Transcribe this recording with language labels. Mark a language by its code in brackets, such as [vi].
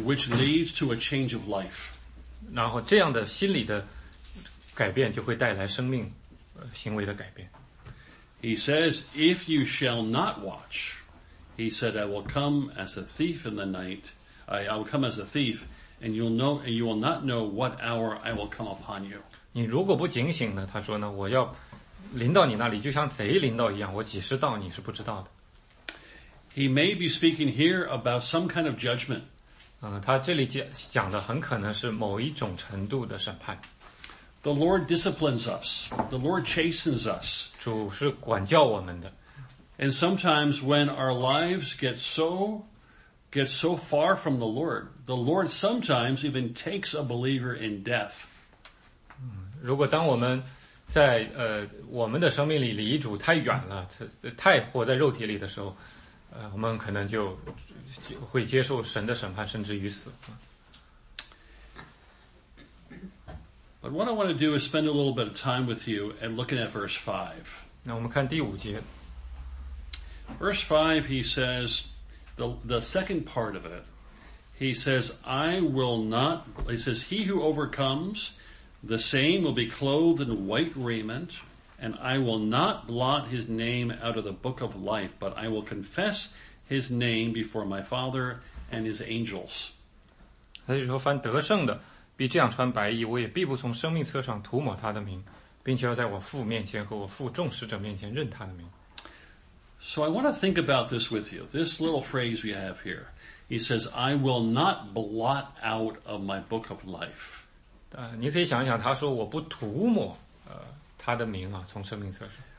[en] Which leads to a change of life. [zh] 然后这样的心理的改变就会带来生命行为的改变。 [en] He says, if you shall not watch, he said, I will come as a thief in the night, I will come as a thief, and you will not know what hour I will come upon you. [zh] 你如果不警醒呢，他说呢，我要临到你那里，就像贼临到一样，我几时到你是不知道的。 [en] He may be speaking here about some kind of judgment. [zh] 他这里讲的很可能是某一种程度的审判。 [en] The Lord disciplines us. The Lord chastens us. [zh] 主是管教我们的。 [en] And sometimes when our lives get so far from the Lord sometimes even takes a believer in death. [zh] 如果当我们在我们的生命里离主太远了，太活在肉体里的时候，我们可能就会接受神的审判，甚至于死。 [en] But what I want to do is spend a little bit of time with you and looking at verse 5. [zh] 那我们看第五节。 [en] Verse 5, he says, the second part of it, he says, I will not, he says, he who overcomes, the same will be clothed in white raiment. And I will not blot his name out of the book of life, but I will confess his name before my Father and his angels. [zh] 他就说凡得胜的必这样穿白衣，我也必不从生命册上涂抹他的名，并且要在我父面前和我父众使者面前认他的名。 [en] So I want to think about this with you, this little phrase we have here. He says, I will not blot out of my book of life. [zh] 你可以想一想，他说我不涂抹他的名啊，从生命册上。